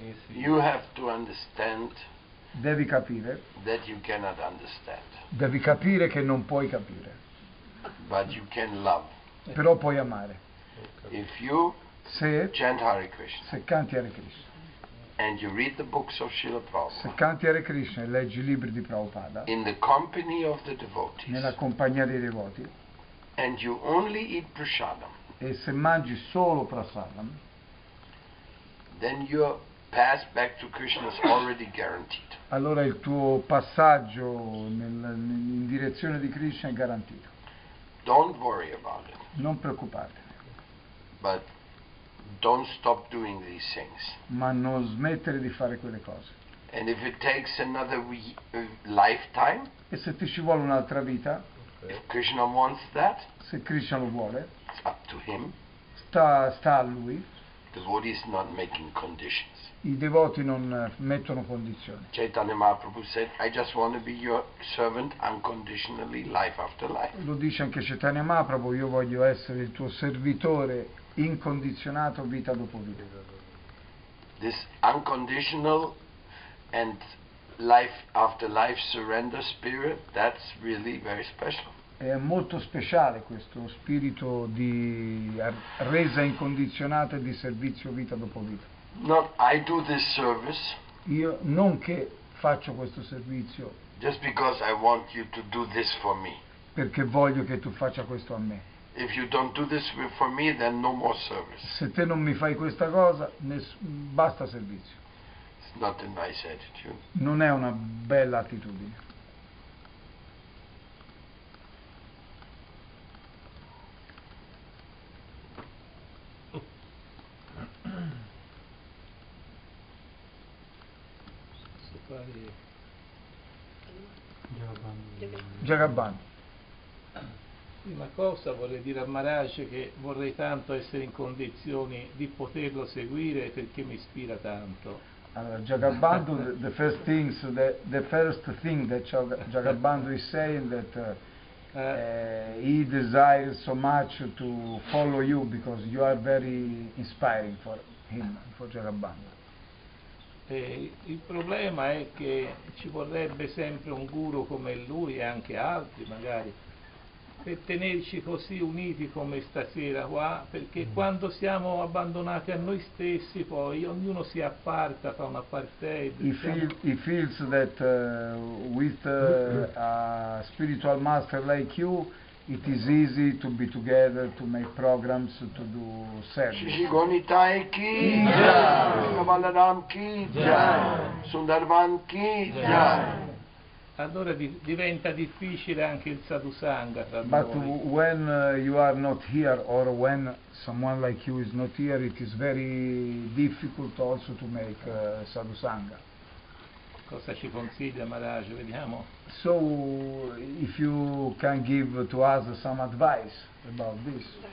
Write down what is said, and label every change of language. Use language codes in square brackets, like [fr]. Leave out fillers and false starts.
[en] You have to understand. [it] Devi capire. [en] That you cannot understand. [it] Devi capire che non puoi capire. [en] But you can love. [it] Però puoi amare. [en] If you [it] se [en] chant Hare Krishna. [it] Se canti Hare Krishna. [en] And you read the books of Srila Prabhupada. [it] Se canti Hare Krishna e leggi i libri di Prabhupada. [en] In the company of the devotees. [it] Nella compagnia dei devoti. [en] And you only eat prasadam. [it] E se mangi solo prasadam. [en] Then your pass back to Krishna is already guaranteed. [it] Allora il tuo passaggio in direzione di Krishna è garantito. [en] Don't worry about it. [it] Non preoccupatevi. [en] But don't stop doing these things. [it] Ma non smettere di fare quelle cose. [en] And if it takes another lifetime? [it] E se ti ci vuole un'altra vita? [en] If Krishna wants that? [it] Se Krishna lo vuole? [en] It's up to him. [it] Sta a lui. [en] The devotee is not making conditions. [it] I devoti non mettono condizioni. [en] Chaitanya Mahaprabhu said, I just want to be your servant unconditionally, life after life. [it] Lo dice anche Chaitanya Mahaprabhu, io voglio essere il tuo servitore incondizionato vita dopo vita. [en] This unconditional and life after life surrender spirit, that's really very special. [it] È molto speciale questo spirito di resa incondizionata di servizio vita dopo vita. [en] Not I do this service. [it] Io non che faccio questo servizio. [en] Just because I want you to do this for me. [it] Perché voglio che tu faccia questo a me. [en] If you don't do this for me, then no more service. [it] Se te non mi fai questa cosa, basta servizio. [en] It's not a nice attitude. [it] Non è una bella attitudine. Jagabhan. Prima cosa vorrei dire a Maharaj che vorrei tanto essere in condizioni di poterlo seguire perché mi ispira tanto. [en] Allora, Jagabhan, the first thing that Jagabhan is saying that he desires so much to follow you because you are very inspiring for him, for Jagabhan. [it] Il problema è che ci vorrebbe sempre un guru come lui e anche altri magari, per tenerci così uniti come stasera qua, perché quando siamo abbandonati a noi stessi, poi ognuno si apparta, fa una parte. [en] He feels that with a spiritual master like you, it is easy to be together, to make programs, to do service. [it] Allora diventa difficile anche il satusanga tra noi. [en] But when you are not here, or when someone like you is not here, it is very difficult also to make satusanga. [it] Cosa ci consiglia Maharaj? Vediamo. [en] So, if you can give to us some advice about this.